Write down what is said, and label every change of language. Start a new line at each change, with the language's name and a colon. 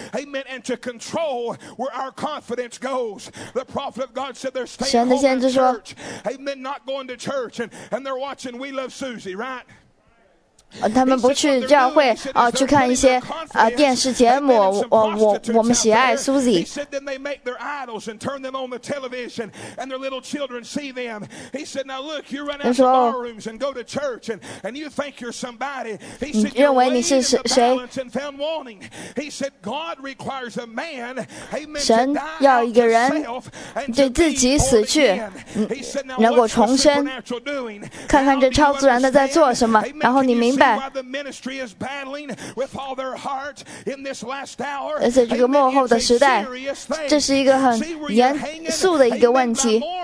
English: Amen and to control where our confidence goes. The prophet of God said they're staying home in church. Amen, not going to church, and they're watching We Love Susie, right?
Chinese: 他们不去教会啊，去看一些啊电视节目。我们喜爱 Susie。
English: He said, then they make their idols and turn them on the television, and their little children see them. He said, now look, you run out of barrooms and go to church, and you think you're somebody. He said, you're weighed in the balance and found wanting. He said, God requires a man, amen, to die unto himself and to be born again. He said, now what's the supernatural doing?
Chinese: 看看这超自然的在做什么，然后你明白。
English: See why the ministry is battling with all their heart in this last hour.
Chinese: 而且这个幕后的时代，这是一个很严肃的一个问题。